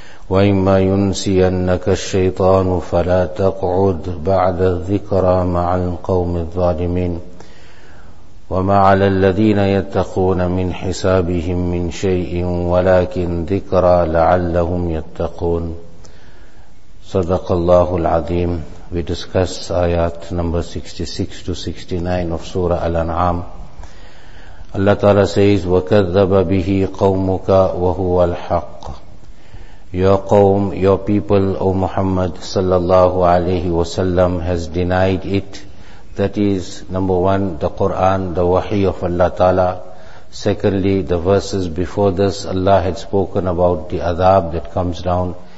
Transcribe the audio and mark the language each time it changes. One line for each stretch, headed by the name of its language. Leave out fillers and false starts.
Arabic: وإما ينسينك الشيطان فلا تقعد بعد الذكرى مع القوم الظالمين. وما على الذين يتقون من حسابهم من شيء ولكن ذكرى لعلهم يتقون. صدق الله العظيم.
English: We discuss آيات number 66 to 69 of سورة الأنعام. Allah Ta'ala says,
Arabic: وَكَذَّبَ بِهِ قَوْمُكَ وَهُوَ الْحَقِّ.
English: Your قوم, your people, O Muhammad sallallahu alayhi wa sallam, has denied it. That is, number one, the Qur'an, the wahi of Allah Ta'ala. Secondly, the verses before this, Allah had spoken about the adab that comes down.